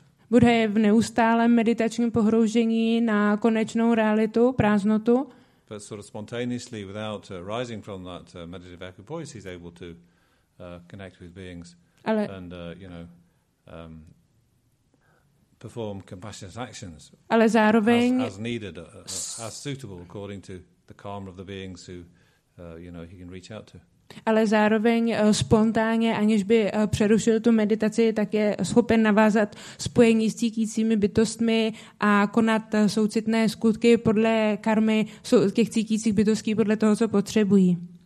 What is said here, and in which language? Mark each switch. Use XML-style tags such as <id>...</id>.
<cs>Buddha je v neustálém meditačním pohroužení na konečnou realitu, prázdnotu.</cs> <en>But sort of spontaneously, without rising from that meditative equipoise, he's able to connect with beings.</en> <cs>Ale...</cs> <en>And, you know, perform compassionate actions.</en> <cs>Ale zároveň</cs> <en>as needed, as suitable according to the karma of the beings who you know he can reach out to.</en> <cs>Ale zároveň spontánně, aniž by přerušil tu meditaci, tak je schopen navázat spojení s cítícími bytostmi a konat soucitné skutky podle karmy těch cítících bytostí podle toho, co potřebují.</cs>